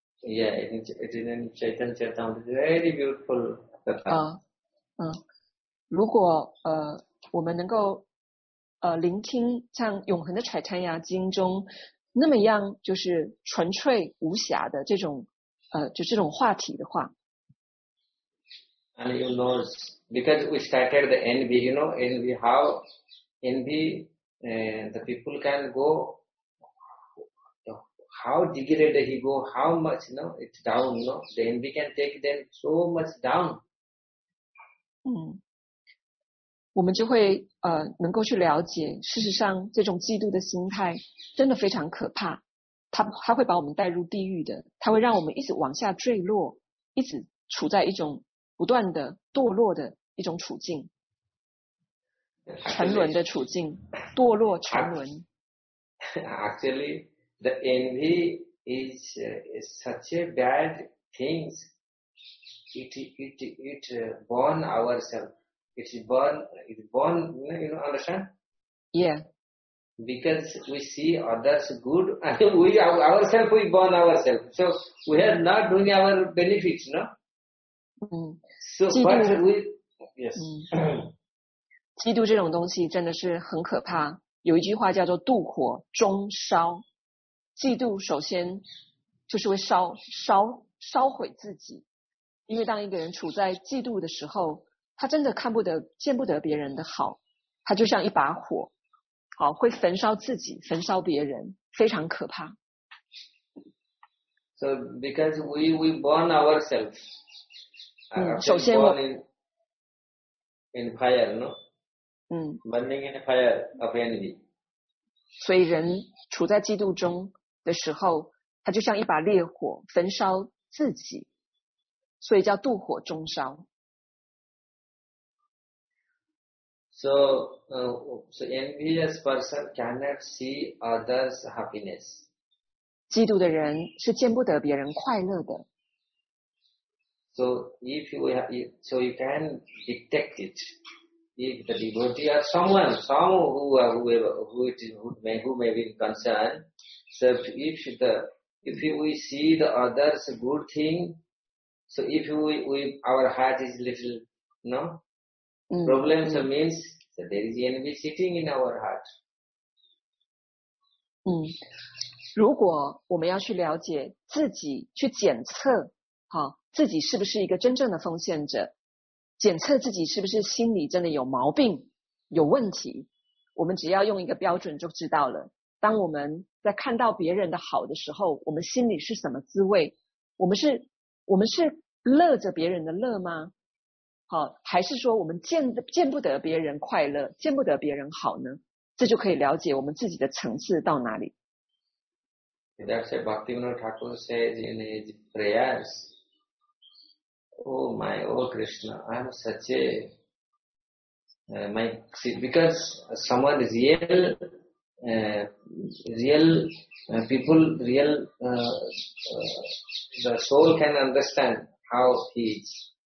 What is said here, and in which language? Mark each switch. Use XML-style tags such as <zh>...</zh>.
<en>Yeah, it is in Chaitanya Charitamrita, very beautiful katha.</en> <zh>如果我们能够聆听像永恒的《柴坦亚经》中那么样就是纯粹无瑕的这种就这种话题的话。</zh> <en>And you know, because we started the envy, you know, envy how envy, the people can go, how degraded he go, how much, you know, it's down, you know, the envy can take them so much down.</en> <zh>我们就会能够去了解，事实上这种嫉妒的心态真的非常可怕，它会把我们带入地狱的，它会让我们一直往下坠落，一直处在一种不断的堕落的一种处境，沉沦的处境，堕落沉沦。</zh> <en>Actually, the envy is such a bad thing. It burn ourselves. It's born, you know, understand? Yeah. Because we see others good, and we born ourselves. So we are not doing our benefits, no? So, but we, yes.</en> <zh>嫉妒这种东西真的是很可怕。有一句话叫做妒火中烧。嫉妒首先就是会烧毁自己。因为当一个人处在嫉妒的时候，他真的看不得见不得别人的好，他就像一把火，好，会焚烧自己，焚烧别人，非常可怕。</zh> <en>So because we burn ourselves.</en> <zh>首先我</zh> <en>in fire, no? Burning in fire of envy.</en> <zh>所以人处在嫉妒中的时候，他就像一把烈火焚烧自己，所以叫妒火中烧。</zh> <en>So envious person cannot see others' happiness.</en> <zh>嫉妒的人是见不得别人快乐的。</zh> <en>So if you have, so you can detect it. If the devotee or someone who may be concerned, so if we see the others' good thing, so if we our heart is little, no? Problems means. That there is envy sitting in our heart.</en> <zh>如果我们要去了解自己，去检测，自己是不是一个真正的奉献者，检测自己是不是心里真的有毛病，有问题，我们只要用一个标准就知道了。当我们在看到别人的好的时候，我们心里是什么滋味？我们是乐着别人的乐吗？还是说我们 见不得别人快乐，见不得别人好呢？这就可以了解我们自己的层次到哪里。</zh> <en>That's what Bhaktivinoda Thakur says in his prayers. Oh my, oh Krishna, I'm such a my, because someone is real real people, real the soul can understand how he is.</en>